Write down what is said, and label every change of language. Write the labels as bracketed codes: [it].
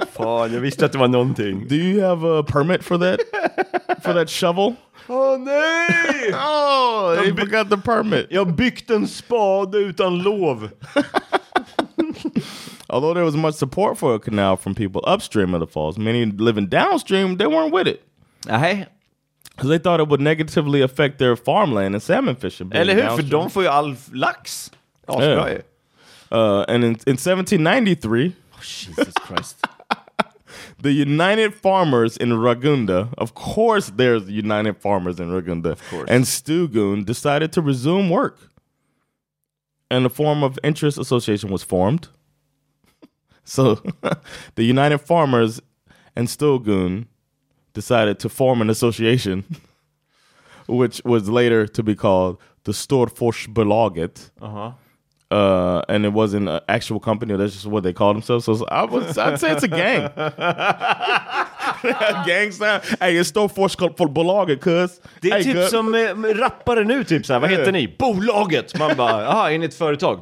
[sv] Fan, jag visste att det var någonting. [en] Do you have a permit for that? For that shovel? [sv] Oh nej! [en] Oh, they forgot the permit. [sv] Jag byggt en spade utan lov. [en] Although there was much support for a canal from people upstream of the falls, many living downstream, they weren't with it. [sv] Nej. [en] Because they thought it would negatively affect their farmland and salmon fishing. [sv] Eller hur? För de får ju all lax. Oh, yeah. [en] And in 1793... Oh, Jesus Christ. The United Farmers in Ragunda, of course there's United Farmers in Ragunda, of course. And Stugun decided to resume work. And a form of interest association was formed. So the United Farmers and Stugun decided to form an association, which was later to be called the Storforsbolaget. Uh-huh. And it wasn't an actual company. That's just what they called themselves. So I'd say it's a gang. Gang sign. Hey, it's Storforsen for bolaget, cuz. [sv] Det är typ som rappare nu, typ så här. Vad heter ni? Bolaget. Man bara, aha, är ni ett företag?